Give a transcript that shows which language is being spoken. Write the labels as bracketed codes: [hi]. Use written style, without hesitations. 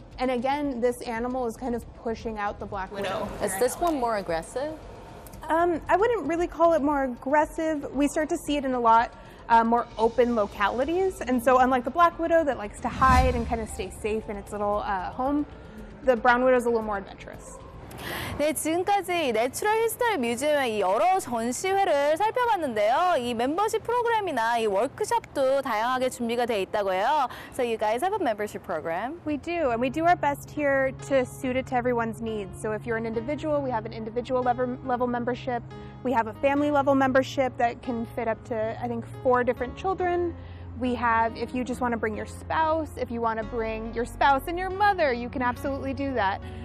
[en] And again, this animal is kind of pushing out the black widow. Is this one more aggressive? I wouldn't really call it more aggressive. We start to see it in a lot more open localities. And so unlike the black widow that likes to hide and kind of stay safe in its little home, the brown widow is a little more adventurous. [ko] 네, 지금까지 내추럴 히스토리 뮤지엄의 이 여러 전시회를 살펴봤는데요. 이 멤버십 프로그램이나 이 워크숍도 다양하게 준비가 되어 있다고 해요. [en] So you guys have a membership program? We do, and we do our best here to suit it to everyone's needs. So if you're an individual, we have an individual level membership. We have a family level membership that can fit up to, I think, 4 different children. We have, if you just want to bring your spouse, if you want to bring your spouse and your mother, you can absolutely do that.